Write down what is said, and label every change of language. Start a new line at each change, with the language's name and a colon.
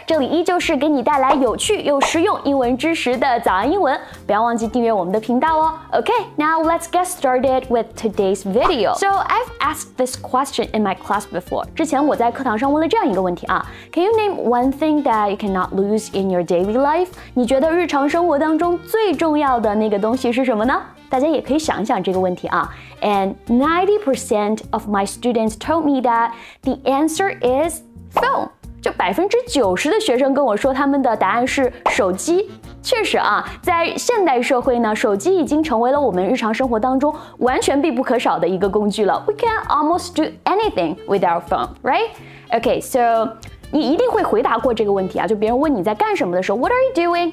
Chinese: 这里依旧是给你带来有趣又实用英文知识的早安英文。不要忘记订阅我们的频道哦。
English: Okay, now let's get started with today's video. So I've asked this question in my class before.
Chinese: 之前我在课堂上问了这样一个问题啊。
English: Can you name one thing that you cannot lose in your daily life?
Chinese: 你觉得日常生活当中最重要的那个东西是什么呢？大家也可以想一想这个问题啊。
English: And 90% of my students told me that the answer is phone.
Chinese: 就90%的学生跟我说他们的答案是手机。确实啊，在现代社会呢，手机已经成为了我们日常生活当中完全必不可少的一个工具了。
English: We can almost do anything with our phone, right? Okay, so...
Chinese: 你一定会回答过这个问题啊，就别人问你在干什么的时候
English: What are you doing?